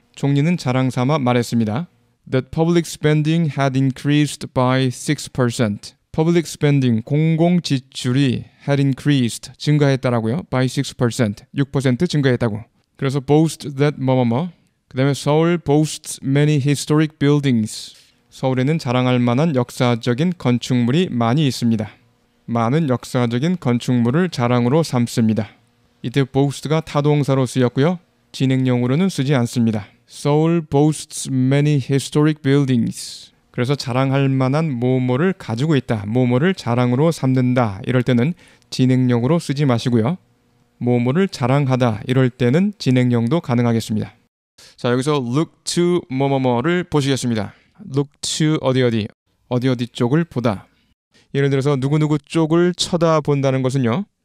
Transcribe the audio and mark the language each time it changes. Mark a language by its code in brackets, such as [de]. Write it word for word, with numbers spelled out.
[ko] 총리는 자랑삼아 말했습니다. [en] That public spending had increased by six percent. Public spending, [ko] 공공지출이 [en] had increased, [ko] 증가했다라고요. [en] by six percent, [ko] 육 퍼센트 증가했다고. 그래서 [en] boast that 뭐뭐뭐. [ko] 그 다음에 [en] 서울 boasts many historic buildings. [ko] 서울에는 자랑할 만한 역사적인 건축물이 많이 있습니다. 많은 역사적인 건축물을 자랑으로 삼습니다. 이때 boast가 타동사로 쓰였고요. 진행형으로는 쓰지 않습니다. [en] 서울 boasts many historic buildings. [ko] 그래서 자랑할 만한 뭐뭐를 가지고 있다. 뭐뭐를 자랑으로 삼는다. 이럴 때는 진행형으로 쓰지 마시고요. 뭐뭐를 자랑하다. 이럴 때는 진행형도 가능하겠습니다. 자, 여기서 look to 뭐뭐뭐를 보시겠습니다. look to 어디 어디, 어디 어디 쪽을 보다. 예를 들어서 누구누구 쪽을 쳐다본다는 것은요.